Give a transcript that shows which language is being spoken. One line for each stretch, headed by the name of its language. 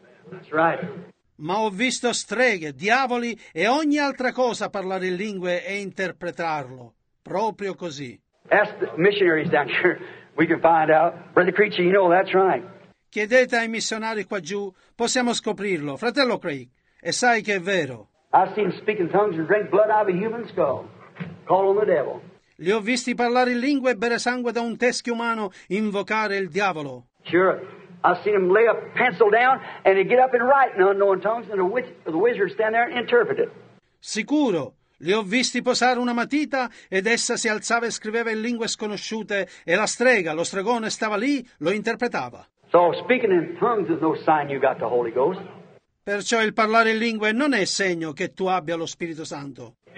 English: That's right.
Italian: Ma ho visto streghe, diavoli e ogni altra cosa parlare in lingue e interpretarlo. Proprio così.
English: Ask the missionaries down here. We can find out. Brother Creech, you know that's right.
Italian: Chiedete ai missionari qua giù. Possiamo scoprirlo. Fratello Craig, e sai che è vero.
English: I've seen them speak in tongues and drink blood out of a human skull. Call on the devil.
Italian: Li ho visti parlare in lingue e bere sangue da un teschio umano, invocare il diavolo.
English: Sure. I've seen him lay a pencil down and he get up and write in unknown tongues and the wizard stand there and interpret it.
Italian: Sicuro. Li ho visti posare una matita ed essa si alzava e scriveva in lingue sconosciute e la strega, lo stregone, stava lì, lo interpretava.
English: So speaking in tongues is no sign you got the Holy Ghost.
Italian: Perciò il parlare in lingue non è segno che tu abbia lo Spirito Santo.